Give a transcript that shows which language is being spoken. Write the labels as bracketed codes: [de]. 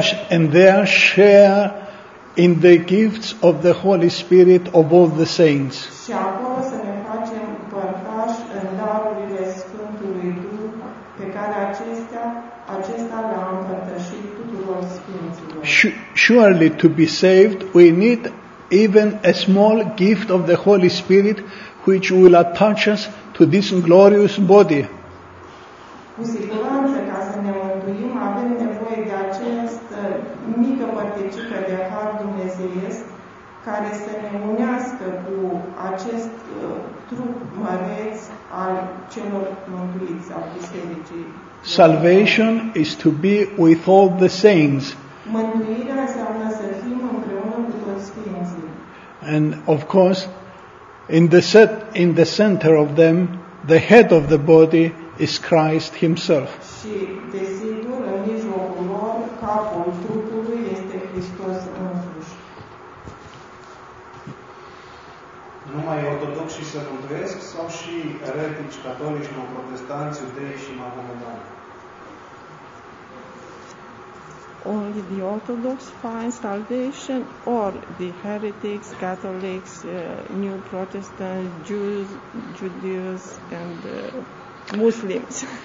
[en] and there share in the gifts of the Holy Spirit of all the saints. [ro] Și acolo să ne facem părtași în darurile Sfântului Duh pe care acesta le-a împărtășit tuturor sfinților. [en] Surely to be saved we need even a small gift of the Holy Spirit which will attach us to this glorious body. [ro] Cu siguranță, ca să ne mântuim, avem nevoie de această mică părticică de har dumnezeiesc care să ne unească cu acest trup măreț al celor mântuiți, al bisericii. [en] Salvation is to be with all the saints. [ro] Mântuirea înseamnă să fim împreună cu toți sfinții. [en] And of course, in the center of them, the head of the body is Christ himself. [ro] Și desigur, în mijlocul lor, capul trupului este Hristos însuși. Numai ortodoxii se mântuiesc sau și eretici, catolici, protestanți, iudei și mahometani? [en] Only the Orthodox find salvation, or the heretics, Catholics, new Protestants, Jews, Judeans, and Muslims.